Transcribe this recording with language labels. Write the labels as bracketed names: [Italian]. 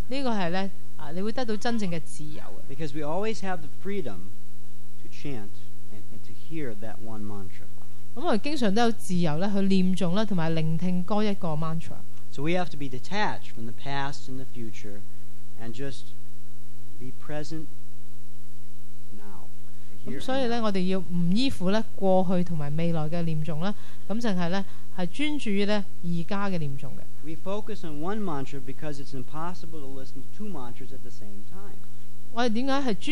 [Chinese] 在念诵圣名里面，这个是你会得到真正的自由。 [English] Because we always have the freedom to chant and to hear that one mantra. [Chinese] 我们经常都有自由去念诵和聆听歌一个mantra. [English] So we have to be detached from the past and the future and just be present now. [Chinese] 所以我们要不依附过去和未来的念诵，只是专注于现在的念诵。 [English] We focus on one mantra because it's impossible to listen to two mantras at the same time.